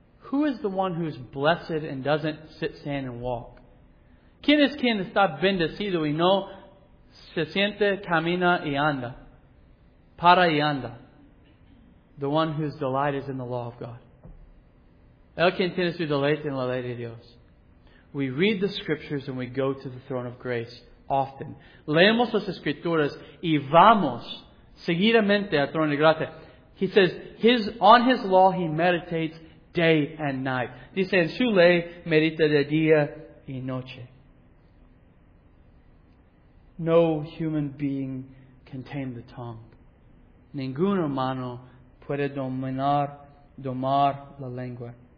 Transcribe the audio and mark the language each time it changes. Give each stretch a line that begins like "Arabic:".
English: Who is the one who is blessed and doesn't sit, stand, and walk?
Spanish: ¿Quién es quien está bendecido y no se siente, camina y anda? Para y anda.
English: The one whose delight is in the law of God.
Spanish: El quien tiene su deleite en la ley de Dios.
English: We read the Scriptures and we go to the throne of grace often.
Spanish: Leemos las Escrituras y vamos seguidamente al trono de gracia.
English: He says, on His law He meditates day and night.
Spanish: Dice, en su ley medita de día y noche.
English: No human being can tame the tongue.
Spanish: Ningún humano puede domar la lengua.